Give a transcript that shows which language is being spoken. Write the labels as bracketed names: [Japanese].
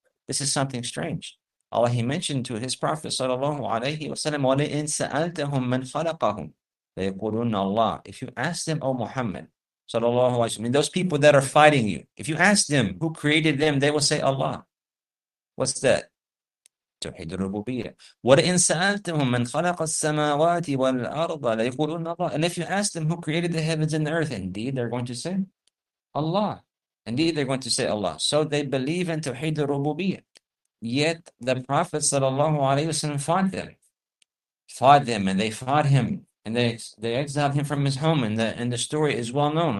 [English] This is something strange. Allah, he mentioned to his prophet sallallahu alayhi wa sallam, [Arabic] وَلَئِنْ سَأَلْتَهُمْ مَنْ خَلَقَهُمْ لَيَقُولُونَ اللَّهُ. [English] If you ask them, O Muhammad sallallahu alayhi wa sallam, I mean those people that are fighting you, if you ask them who created them, they will say Allah. What's that? توحيد الربوبية. [Arabic] ولئن سألتهم من خلق السماوات والأرض ليقولون الله. [English] And if you ask them who created the heavens and the earth, indeed they're going to say Allah. Indeed they're going to say Allah. So they believe in توحيد الربوبية. Yet the Prophet صلى الله عليه وسلم fought them. Fought them and they fought him. And they exiled him from his home. And the story is well known.